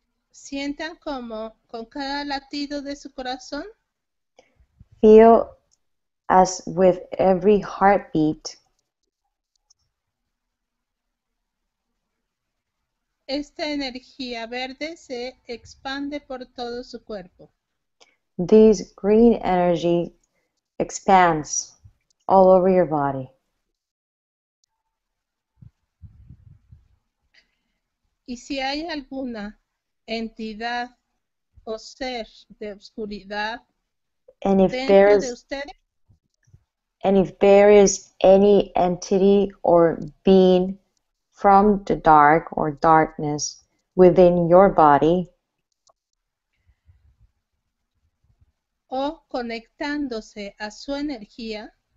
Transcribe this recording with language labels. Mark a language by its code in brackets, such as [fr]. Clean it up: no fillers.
[es] Sientan como con cada latido de su corazón. [en] Feel as with every heartbeat. [es] Esta energía verde se expande por todo su cuerpo. [en] these green energy expands all over your body. [es] Y si hay alguna entidad o ser de oscuridad dentro de ustedes, [en] and if there is any entity or being from the dark or darkness within your body, [es] o conectándose a su energía,